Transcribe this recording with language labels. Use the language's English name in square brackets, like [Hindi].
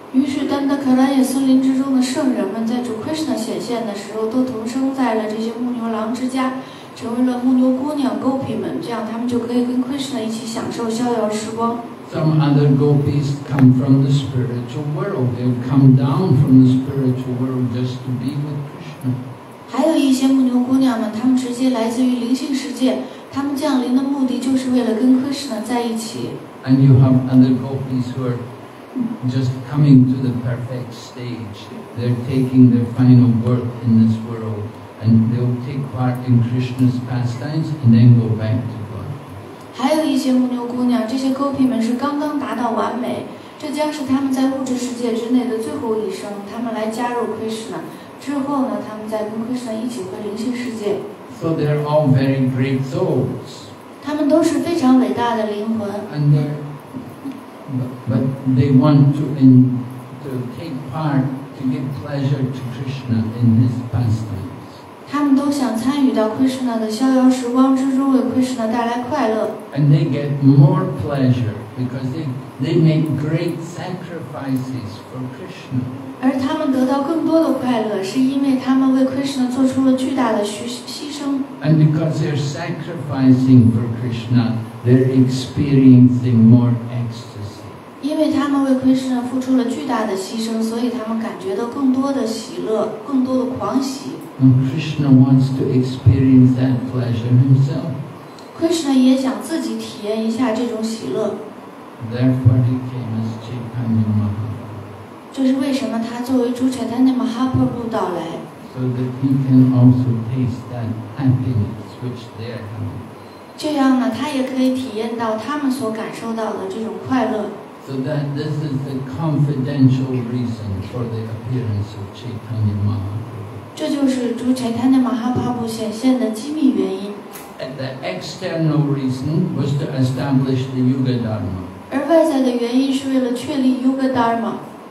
[Chinese] 于是丹达卡拉耶森林之中的圣人们在主 Krishna 显现的时候，都同生在了这些牧牛郎之家，成为了牧牛姑娘 gopi 们，这样他们就可以跟 Krishna 一起享受逍遥时光。 [English] Some other gopis come from the spiritual world. They've come down from the spiritual world just to be with Krishna. [Chinese] 还有一些牧牛姑娘们，她们直接来自于灵性世界，她们降临的目的就是为了跟 Krishna 在一起。 [English] And you have other gopis who are just coming to the perfect stage. They're taking their final birth in this world, and they'll take part in Krishna's pastimes and then go back to God. [Chinese] 还有一些牧牛姑娘，这些 Gopi 们是刚刚达到完美，这将是他们在物质世界之内的最后一生。他们来加入 Krishna 之后呢，他们再跟 Krishna 一起回灵性世界。 [English] So they're all very great souls. [Chinese] 他们都是非常伟大的灵魂。 [English] And they're but they want to in to take part to give pleasure to Krishna in his pastimes. [Chinese] 他们都想参与到 Krishna 的逍遥时光之中，为 Krishna 带来快乐。 [English] And they get more pleasure. Because they make great sacrifices for Krishna. [Chinese] 而他们得到更多的快乐，是因为他们为 Krishna 做出了巨大的牺牲。 [English] And because they're sacrificing for Krishna, they're experiencing more ecstasy. [Chinese] 因为他们为 Krishna 付出了巨大的牺牲，所以他们感觉到更多的喜乐，更多的狂喜。 [English] And Krishna wants to experience that pleasure himself. [Chinese] Krishna 也想自己体验一下这种喜乐。 [English] Therefore, he came as Chaitanya Mahaprabhu. [Chinese] 这是为什么他作为主 Chaitanya Mahaprabhu 到来。 [English] So that he can also taste that happiness which they are having. [Chinese] 这样呢，他也可以体验到他们所感受到的这种快乐。 [English] So that this is the confidential reason for the appearance of Chaitanya Mahaprabhu. [Chinese] 这就是主 Chaitanya Mahaprabhu 显现的机密原因。 [English] And the external reason was to establish the Yuga Dharma. [Chinese] 而外在的原因是为了确立 Yuga Dharma.